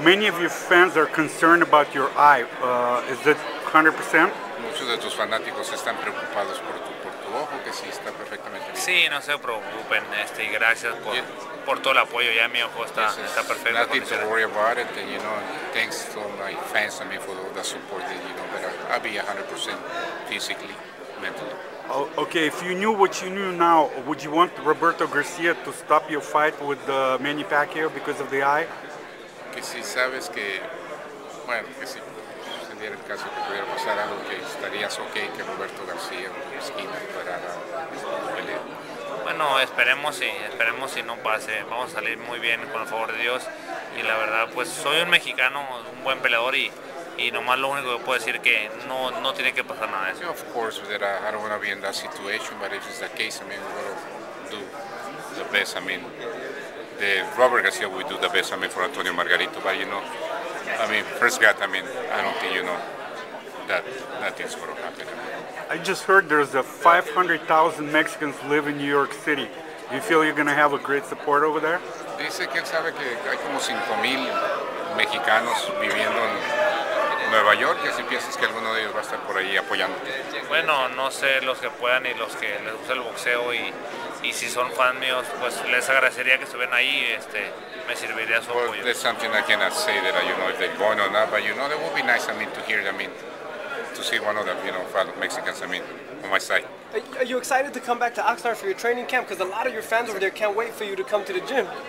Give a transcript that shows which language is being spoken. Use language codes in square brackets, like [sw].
[en] Many of your fans are concerned about your eye. Is it 100%? [es] Muchos de tus fanáticos están preocupados por tu ojo, que sí está perfectamente bien. Sí, no se preocupen, y gracias por todo el apoyo. Ya mi ojo está perfecto. [en] Nothing to worry about it, and, you know. Thanks to my fans, I mean, for the support that, you know, but I'll be 100% physically, mentally. Okay, if you knew what you knew now, would you want Roberto Garcia to stop your fight with Manny Pacquiao because of the eye? [es] Que si sabes que, bueno, que si se diera el caso que pudiera pasar algo, que estarías ok que Roberto García en tu esquina para la pelea. Bueno, esperemos si no pase. Vamos a salir muy bien con el favor de Dios. Y la verdad, pues soy un mexicano, un buen peleador y nomás lo único que puedo decir que no tiene que pasar nada de eso. [en] Of course, I don't want to be in that situation, but if it's the case, I mean, we're going to do the best, I mean. Robert Garcia will do the best, I mean, for Antonio Margarito, but, you know, I mean, first God, I mean, I don't think, you know, that nothing's going to happen. I just heard there's a 500,000 Mexicans live in New York City. Do you feel you're going to have a great support over there? [es] Dice que él sabe que hay como 5,000 mexicanos viviendo en Nueva York, y así piensas que alguno de ellos va a estar por ahí apoyándote. Bueno, no sé los que puedan y los que les gusta el boxeo y si son fans míos, pues les agradecería que estuvieran ahí, me serviría su apoyo. [en] There's something I cannot say that, you know, if they're going or not, but you know, it would be nice, I mean, to hear, I mean, to see one of them, you know, fellow Mexicans, I mean, on my side. Are you excited to come back to Oxnard for your training camp? Because a lot of your fans over there can't wait for you to come to the gym.